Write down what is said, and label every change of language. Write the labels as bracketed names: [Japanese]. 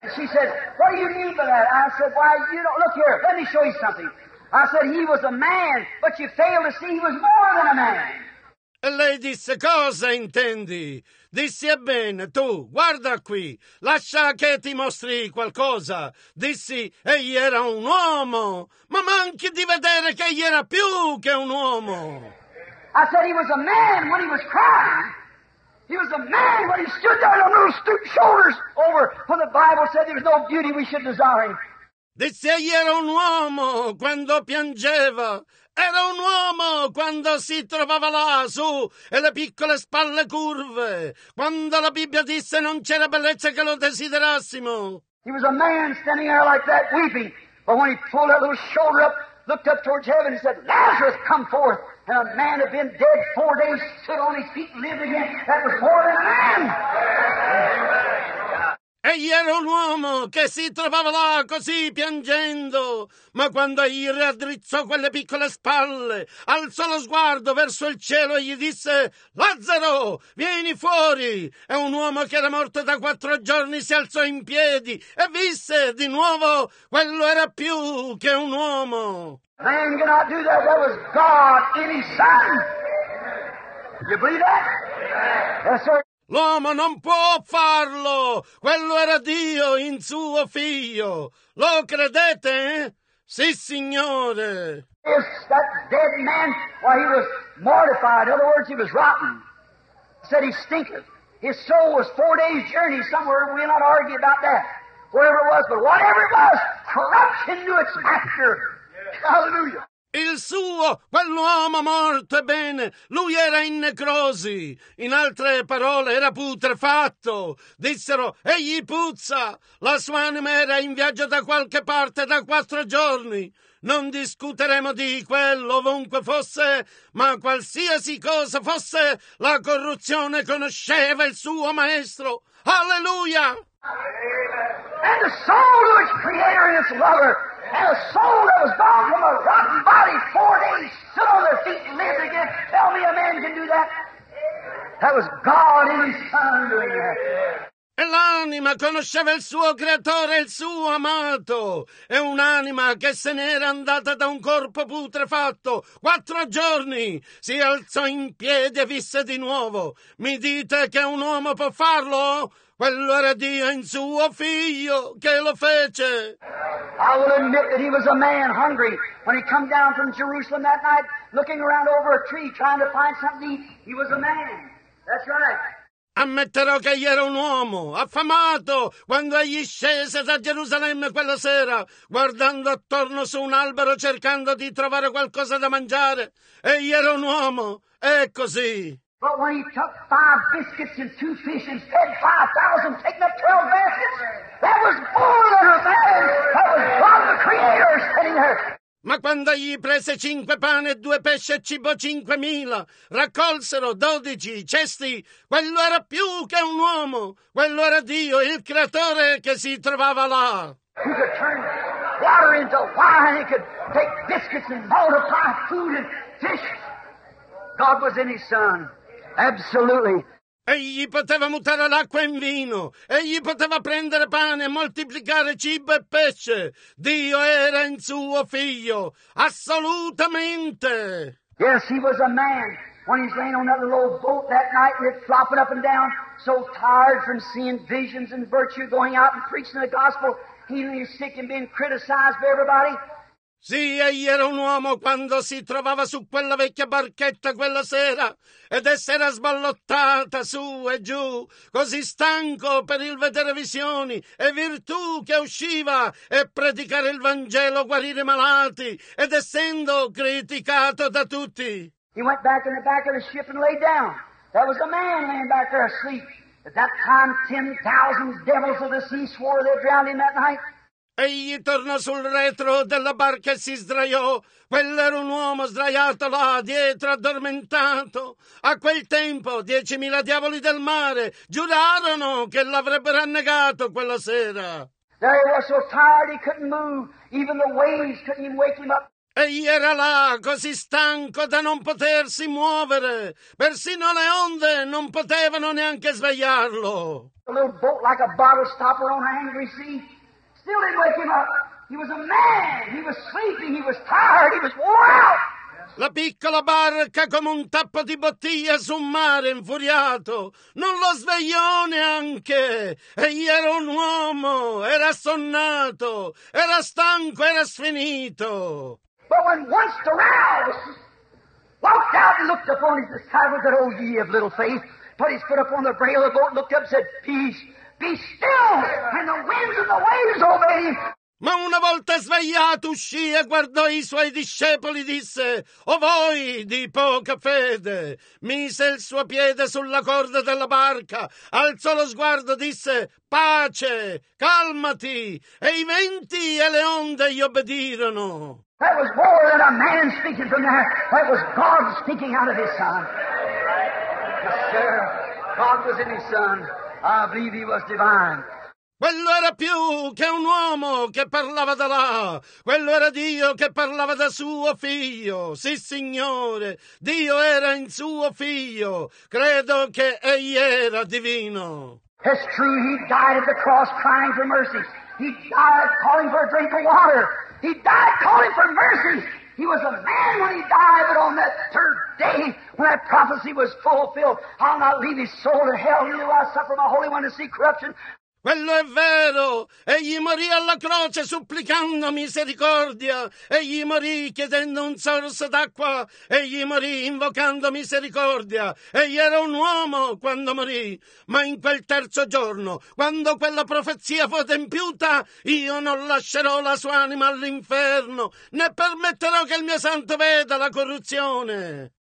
[English] She said, what do you mean by that? I said, why, you know, look here, let me show you something. I said, he was a man, but you failed to see he was more than a man. [Italian] E lei disse, cosa intendi? Dissi, ebbene, tu, guarda qui, lascia che ti mostri qualcosa. Dissi, egli era un uomo, ma manchi di vedere che egli era più che un uomo. [English] I said, he was a man when he was crying. He was a man when he stood there on those stoop shoulders over when the Bible said there's no beauty we should desire him. [Italian] Disse, egli era un uomo quando piangeva. Era un uomo quando si trovava là, su, e le piccole spalle curve. Quando la Bibbia disse non c'era bellezza che lo desiderassimo. [English] He was a man standing there like that weeping. But when he pulled that little shoulder up, looked up towards heaven, he said, Lazarus, come forth. And a man had been dead 4 days, stood on his feet and lived again. That was more than a man. [Italian] Egli era un uomo che si trovava là così piangendo, ma quando egli raddrizzò quelle piccole spalle, alzò lo sguardo verso il cielo e gli disse, Lazzaro, vieni fuori! E un uomo che era morto da 4 giorni si alzò in piedi e visse di nuovo, quello era più che un uomo. [English] Man cannot do that, that was God in his son. You believe that? Yes, sir. [Italian] L'uomo non può farlo. Quello era Dio in suo figlio. Lo credete? Sì, signore. [English] If that dead man, well, he was mortified. In other words, he was rotten. Said he stinketh. His soul was 4 days' journey somewhere. We'll not argue about that. Wherever it was, but whatever it was, corruption knew its master. Yeah. Hallelujah. [Italian] Il suo, quell'uomo morto, ebbene, lui era in necrosi. In altre parole, era putrefatto. Dissero, egli puzza. La sua anima era in viaggio da qualche parte da 4 giorni. Non discuteremo di quello ovunque fosse, ma qualsiasi cosa fosse, la corruzione conosceva il suo maestro. Alleluia! [English] And the soul of its creator and its lover, and a soul that was bound from a rotten body 4 days, stood on their feet and lived again. Tell me a man can do that. That was God in his son doing that. [Italian] E l'anima conosceva il suo creatore, il suo amato. E un'anima che se n'era andata da un corpo putrefatto 4 giorni, si alzò in piedi e visse di nuovo. Mi dite che un uomo può farlo? Quello era Dio in suo figlio che lo fece. [English] I will admit that he was a man hungry. When he come down from Jerusalem that night, looking around over a tree, trying to find something to eat, he was a man. That's right. [Italian] Ammetterò che egli era un uomo affamato quando egli scese da Gerusalemme quella sera, guardando attorno su un albero cercando di trovare qualcosa da mangiare. Egli era un uomo, è così. [English] But when he took 5 biscuits and 2 fish and fed 5,000, taking up 12 baskets, that was more than a man. That was God the Creator standing there. [Italian] Ma quando gli prese 5 pane e 2 pesci e cibo 5,000, raccolsero 12 cesti, quello era più che un uomo, quello era Dio, il creatore che si trovava là. [English] He could turn water into wine, he could take biscuits and multiply food and fish. God was in his son, absolutely. [Italian] Egli poteva mutare l'acqua in vino, egli poteva prendere pane e moltiplicare cibo e pesce. Dio era in suo figlio, assolutamente. [English] Yes, he was a man when he's laying on that little old boat that night and it flopping up and down, so tired from seeing visions and virtue, going out and preaching the gospel, healing his sick and being criticized by everybody. [Italian] Sì, egli era un uomo quando si trovava su quella vecchia barchetta quella sera ed essere sballottata su e giù, così stanco per il vedere visioni e virtù che usciva e predicare il Vangelo, guarire malati ed essendo criticato da tutti. [English] He went back in the back of the ship and lay down. There was a man laying back there asleep. At that time 10,000 devils of the sea swore they drowned him that night. [Italian] Egli tornò sul retro della barca e si sdraiò. Quell'era un uomo sdraiato là dietro, addormentato. A quel tempo 10,000 diavoli del mare giurarono che l'avrebbero annegato quella sera. [English] There he was so tired he couldn't move. Even the waves couldn't even wake him up. [Italian] Egli era là così stanco da non potersi muovere. Persino le onde non potevano neanche svegliarlo. [English] A little boat like a bottle stopper on an angry sea. Still didn't wake him up. He was a man. He was sleeping. He was tired. He was worn out. [Italian] La piccola barca come un tappo di bottiglia su un mare infuriato. Non lo svegliò neanche. Egli era un uomo. Era sonnato. Era stanco. Era sfinito. [English] But when once aroused, walked out and looked upon his disciples, that old ye of little faith, put his foot upon the rail of the boat, looked up and said, peace. Be still, and the winds and the waves obey. [Italian] Ma una volta svegliato uscì e guardò i suoi discepoli, disse: o voi di poca fede. Mise il suo piede sulla corda della barca, alzò lo sguardo, disse: pace, calmati. E i venti e le onde gli obbedirono. [English] That was more than a man speaking from there. That was God speaking out of his son. Yes, sir. God was in his son. I believe he was divine. [Italian] Quello era più che un uomo che parlava da là. Quello era Dio che parlava da suo figlio. Sì, Signore, Dio era in suo figlio. Credo che egli era divino. [English] It's true, he died at the cross crying for mercy. He died calling for a drink of water. He died calling for mercy. He was a man when he died, but on that third day, when that prophecy was fulfilled, I'll not leave his soul to hell, neither will I suffer my Holy One to see corruption. [Italian] Quello è vero. Egli morì alla croce supplicando misericordia. Egli morì chiedendo un sorso d'acqua. Egli morì invocando misericordia. Egli era un uomo quando morì. Ma in quel terzo giorno, quando quella profezia fu adempiuta, io non lascerò la sua anima all'inferno, né permetterò che il mio santo veda la corruzione.